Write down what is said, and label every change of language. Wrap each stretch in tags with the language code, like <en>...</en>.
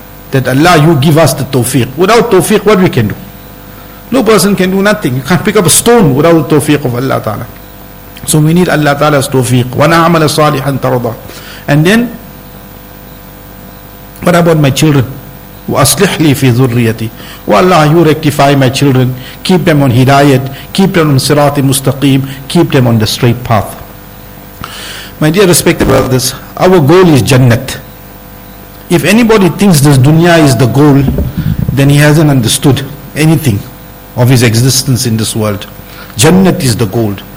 <en>That Allah, you give us the tawfiq. Without tawfiq, what we can do? No person can do nothing. You can't pick up a stone without the tawfiq of Allah Ta'ala. So we need Allah Ta'ala's tawfiq.</en> <ar>وَنَعْمَلَ صَالِحًا تَرَضَى</ar> <en>And then, what about my children?</en> <ar>وَأَصْلِحْ لِي فِي ذُرِّيَتِي وَاللَّهُ</ar> <en>you rectify my children. Keep them on hidayat. Keep them on sirat mustaqim. Keep them on the straight path. My dear respected brothers, our goal is Jannat. If anybody thinks this dunya is the goal, then he hasn't understood anything of his existence in this world. Jannat is the goal.</en>